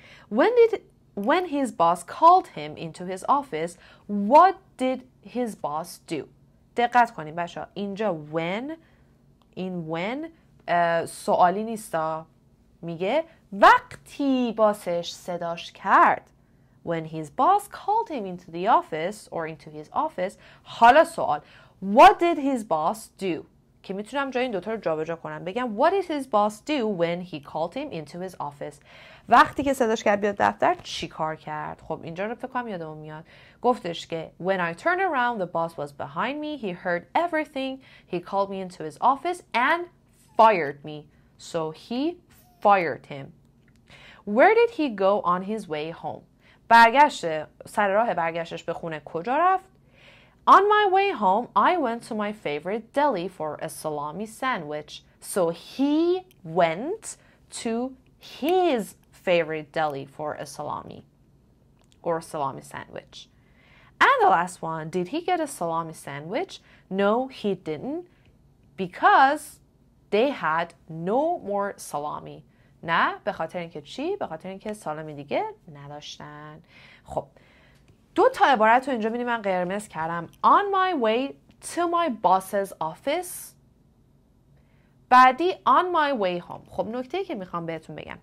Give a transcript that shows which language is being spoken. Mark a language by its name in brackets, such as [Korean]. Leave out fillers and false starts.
[English] When his boss called him into his office, what did his boss do? [Persian] دقت کنید بچه ها اینجا when سوالی نیستا، میگه وقتی باسش صداش کرد. [English] When his boss called him into the office or into his office. [Persian] حالا سوال [English] what did his boss do؟ [Persian] که میتونم جای این دوتا رو جابجا کنم بگم [English] what did his boss do when he called him into his office؟ [Persian] وقتی که صداش کرد بیاد دفتر چی کار کرد؟ خب اینجا رو فکر کنم یادمون میاد، گفتش که [English] when I turned around the boss was behind me, he heard everything, he called me into his office and fired me. So he fired him. Where did he go on his way home؟ [Persian] برگشت سر راه برگشتش به خونه کجا رفت؟ [English] On my way home, I went to my favorite deli for a salami sandwich. So he went to his favorite deli for a salami or a salami sandwich. And the last one, did he get a salami sandwich? No, he didn't because they had no more salami. [Persian] نه به خاطر اینکه چی؟ به خاطر اینکه سالامی دیگه نداشتن. خب دو تا عبارت رو اینجا بینیم من قرمز کردم. [English] On my way to my boss's office. [Persian] بعدی [English] on my way home. [Persian] خب نکته که میخوام بهتون بگم.